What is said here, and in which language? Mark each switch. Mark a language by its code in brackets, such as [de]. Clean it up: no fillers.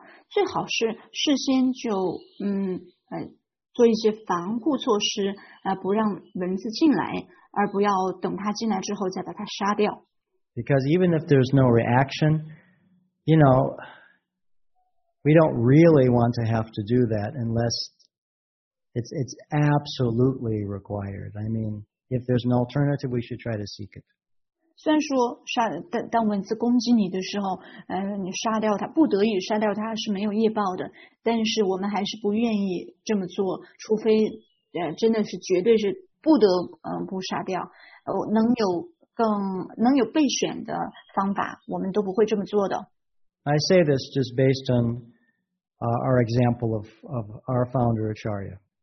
[zh] 最好是事先就做一些防护措施，不让蚊子进来，而不要等它进来之后再把它杀掉。 [en] Because even if there's no reaction, you know, we don't really want to have to do that unless it's absolutely required. I mean, if there's an alternative, we should try to seek it. [zh] 虽然说当蚊子攻击你的时候，你杀掉它，不得已杀掉它是没有业报的，但是我们还是不愿意这么做，除非真的是绝对是不得不杀掉，能有备选的方法，我们都不会这么做的。 [en] I say this just based on our example of our founder Acharya.